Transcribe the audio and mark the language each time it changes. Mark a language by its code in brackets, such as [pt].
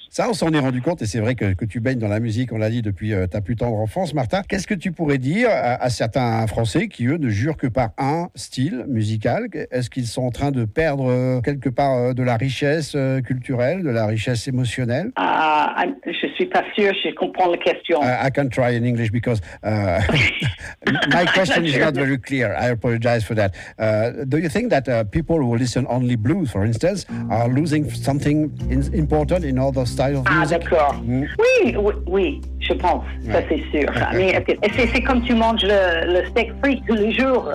[fr] Ça, on s'en est rendu compte. Et c'est vrai que tu baignes dans la musique, on l'a dit, depuis ta plus tendre enfance, Martha. Qu'est-ce que tu pourrais dire à certains Français qui, eux, ne jurent que par un style musical? Est-ce qu'ils sont en train de perdre quelque part de la richesse culturelle, de la richesse émotionnelle? Je ne suis pas sûr, je comprends la question. [en] I can try in English because my question is not very clear. I apologize for that. Do you think that people who listen only blues, for instance, are losing something important in all those styles of music? [fr] Ah, d'accord. Mm. Oui, je pense, ouais. Ça c'est sûr. Mais c'est comme tu manges le steak frit tous les jours.